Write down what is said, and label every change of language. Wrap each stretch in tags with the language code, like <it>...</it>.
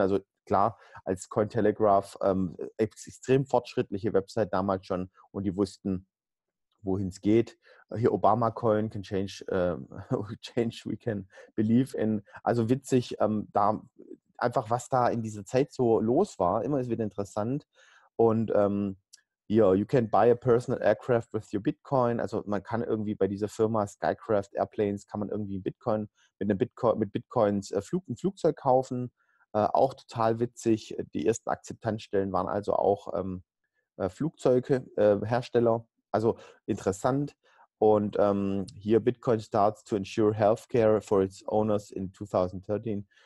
<de>Also klar, als Cointelegraph, extrem fortschrittliche Website damals schon, und die wussten, wohin es geht. Hier</de> <en>Obama-Coin can change we can believe in.</en> <de>Also witzig, da einfach was da in dieser Zeit so los war, immer ist wieder interessant. Und</de> <en>you can buy a personal aircraft with your Bitcoin.</en> <de>Also man kann irgendwie bei dieser Firma Skycraft Airplanes, kann man irgendwie mit Bitcoins ein Flugzeug kaufen. Auch total witzig. Die ersten Akzeptanzstellen waren also auch Flugzeuge, Hersteller. Also interessant. Und hier</de> <en>Bitcoin starts to ensure healthcare for its owners in 2013.</en>